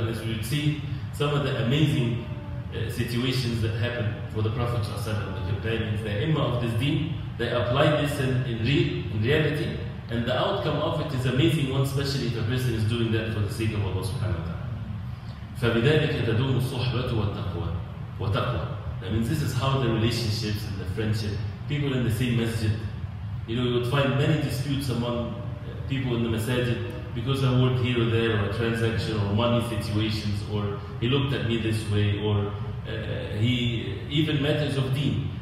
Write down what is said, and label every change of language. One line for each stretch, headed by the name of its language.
English: And as we would see, some of the amazing situations that happened for the Prophet ﷺ and the companions, the imam of this deen, they applied this in reality, and the outcome of it is amazing, especially if a person is doing that for the sake of Allah subhanahu wa ta'ala.
Arabic: فبذلك تدوم الصحبة والتقوى وتقوى.
English: That means this is how the relationships and the friendship, people in the same masjid. You know, you would find many disputes among people in the masjid because of a word here or there, or a transaction, or money situations, or he looked at me this way, or he even matters of deen.